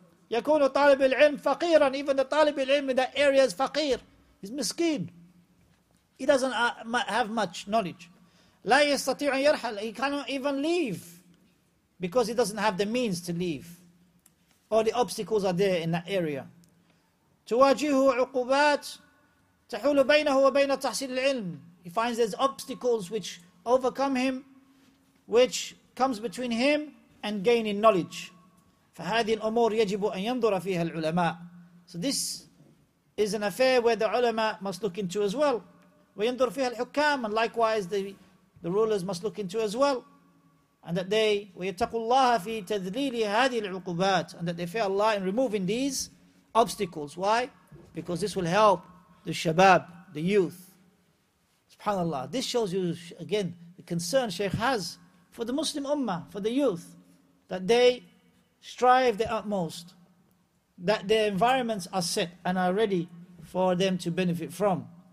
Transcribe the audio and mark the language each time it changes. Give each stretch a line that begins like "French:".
Arabic: يكون طالب العلم فقيرا.
English: Even the طالب العلم in that area is faqir, he's miskeen. He doesn't have much knowledge.
Arabic: لا يستطيع أن يرحل.
English: He cannot even leave because he doesn't have the means to leave. All the obstacles are there in that area.
Arabic: تواجهه عقوبات تحول بينه وبين تحصيل العلم.
English: He finds there's obstacles which overcome him, which comes between him and gaining knowledge.
Arabic: فهذه الأمور يجب أن ينظر فيها العلماء.
English: So this is an affair where the ulama must look into as well.
Arabic: وينظر فيها الحكام.
English: And likewise the rulers must look into as well. And that they,
Arabic: ويتقوا الله في تذليل هذه العقوبات.
English: And that they fear Allah in removing these obstacles. Why? Because this will help the shabab, the youth. SubhanAllah. This shows you again the concern Shaykh has for the Muslim ummah, for the youth, that they strive the utmost, that their environments are set and are ready for them to benefit from.